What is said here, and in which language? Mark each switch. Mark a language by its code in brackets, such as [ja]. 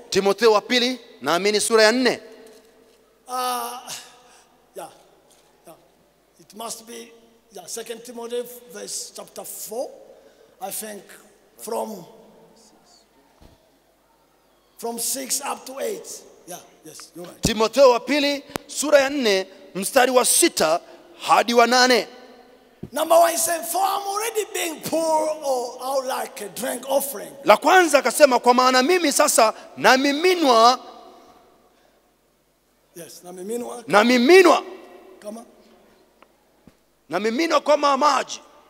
[sw] Timotheo wa pili naamini sura ya 4. [en] It must be 2 Timothy verse chapter 4 I think from 6 up to 8. Yes, you're right. [sw] Timotheo wa pili sura ya 4 mstari wa 6 hadi wa 8. [en] Number one, he said, for I'm already being poor or out like a drink offering. [sw] La kwanza akasema kwa maana mimi sasa na miminwa. Yes, na miminwa. Na miminwa. Kama? Na miminwa kama maji.